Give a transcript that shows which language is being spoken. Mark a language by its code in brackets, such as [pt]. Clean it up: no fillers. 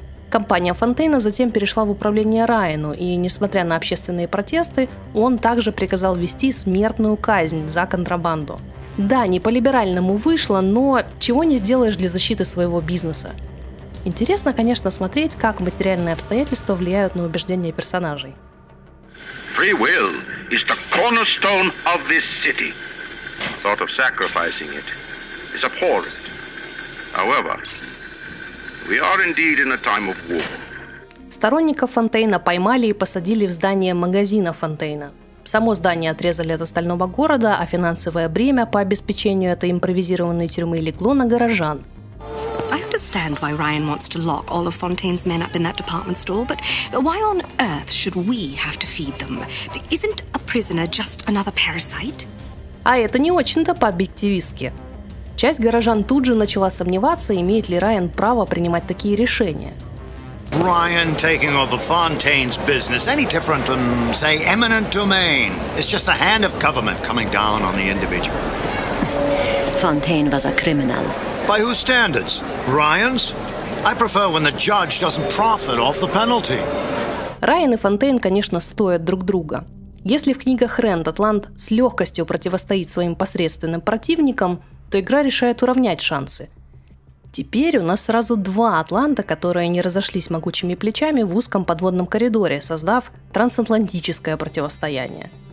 [ru] Компания Фонтейна затем перешла в управление Райану, и, несмотря на общественные протесты, он также приказал ввести смертную казнь за контрабанду. Да, не по-либеральному вышло, но чего не сделаешь для защиты своего бизнеса? Интересно, конечно, смотреть, как материальные обстоятельства влияют на убеждения персонажей. [en] Free will is the cornerstone of this city. The thought of sacrificing it is abhorrent. However, we are indeed in a time of war. [ru] Сторонников Фонтейна поймали и посадили в здание магазина Фонтейна. Само здание отрезали от остального города, а финансовое бремя по обеспечению этой импровизированной тюрьмы легло на горожан. [en] I understand why Ryan wants to lock all of Fontaine's men up in that department store, but why on earth should we have to feed them? Isn't a prisoner just another parasite? [ru] А это не очень-то по-объективистски. Часть горожан тут же начала сомневаться, имеет ли Райан право принимать такие решения. [en] Ryan taking over Fontaine's business any different than, say, eminent domain? It's just the hand of government coming down on the individual. Fontaine was a criminal. By whose standards? Ryan's? I prefer when the judge doesn't profit off the penalty. [ru] Райан и Фонтейн, конечно, стоят друг друга. Если в книгах Рэнд Атлант с легкостью противостоит своим посредственным противникам, то игра решает уравнять шансы. Теперь у нас сразу два Атланта, которые не разошлись могучими плечами в узком подводном коридоре, создав трансатлантическое противостояние.